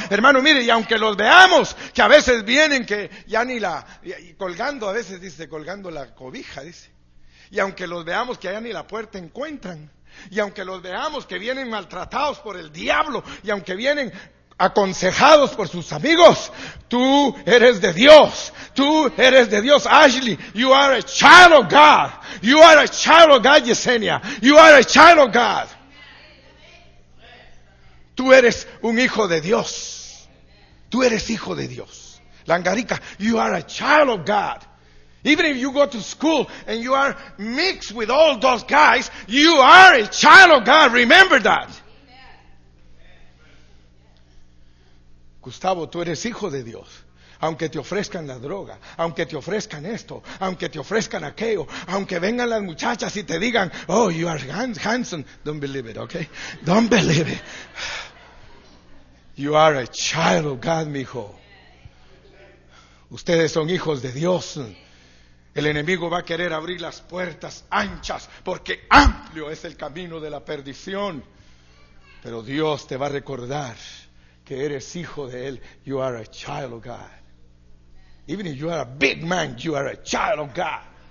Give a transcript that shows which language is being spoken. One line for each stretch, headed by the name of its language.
Spanish: Hermano, mire, y aunque los veamos, que a veces vienen que ya ni la, y colgando, a veces dice, colgando la cobija, dice, y aunque los veamos que ya ni la puerta encuentran, y aunque los veamos que vienen maltratados por el diablo, y aunque vienen aconsejados por sus amigos, tú eres de Dios, tú eres de Dios.
English: Ashley, you are a child of God, you are a child of God. Yesenia, you are a child of God,
Spanish: tú eres un hijo de Dios,
English: tú eres hijo de Dios. Langarica, you are a child of God. Even if you go to school and you are mixed with all those guys, you are a child of God. Remember that. Amen.
Spanish: Gustavo, tú eres hijo de Dios. Aunque te ofrezcan la droga, aunque te ofrezcan esto, aunque te ofrezcan aquello, aunque vengan las muchachas y te digan,
English: oh, you are handsome. Don't believe it,
Spanish: okay? Don't believe it.
English: You are a child of God, mijo.
Spanish: Ustedes son hijos de Dios. El enemigo va a querer abrir las puertas anchas, porque amplio es el camino de la perdición. Pero Dios te va a recordar que eres hijo de Él.
English: You are a child of God. Even if you are a big man, you are a child of God.